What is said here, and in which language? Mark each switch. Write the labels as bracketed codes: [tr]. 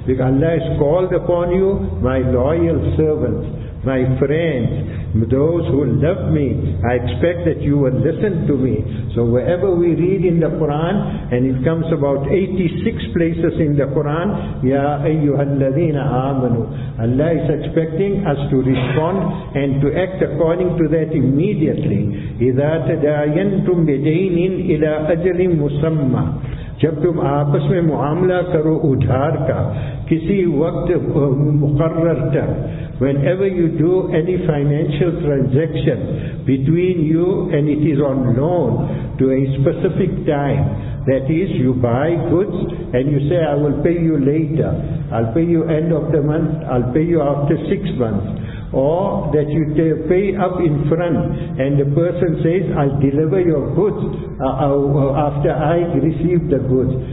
[en] Because Allah has called upon you, my loyal servants, my friends, those who love me, I expect that you will listen to me. So wherever we read in the Quran, and it comes about 86 places in the Quran, Ya ayyuhalladhina amanu, Allah is expecting us to respond and to act according to that immediately. [ar] Idha tadayantum bidaynin ila ajalin musamma, [ur] جب تم آپس میں معاملہ کرو ادھار کا کسی وقت مقرر تک. [en] Whenever you do any financial transaction between you and it is on loan to a specific time, that is, you buy goods and you say, I will pay you later, I'll pay you end of the month, I'll pay you after 6 months, or that you pay up in front and the person says, I'll deliver your goods after I receive the goods.